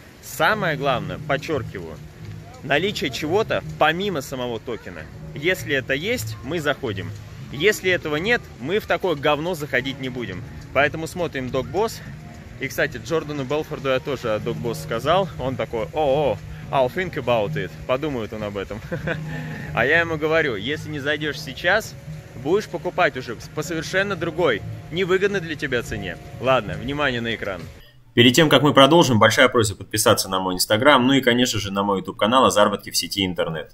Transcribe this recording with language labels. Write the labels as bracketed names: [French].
[Russian] Самое главное, подчеркиваю, наличие чего-то помимо самого токена. Если это есть, мы заходим. Если этого нет, мы в такое говно заходить не будем. Поэтому смотрим DogBoss. И, кстати, Джордану Белфорду я тоже DogBoss сказал. Он такой, о-о, [English] I'll think about it. [Russian] Подумает он об этом. А я ему говорю, если не зайдешь сейчас, будешь покупать уже по совершенно другой, невыгодной для тебя цене. Ладно, внимание на экран. Перед тем, как мы продолжим, большая просьба подписаться на мой Инстаграм, ну и, конечно же, на мой YouTube-канал о заработке в сети интернет.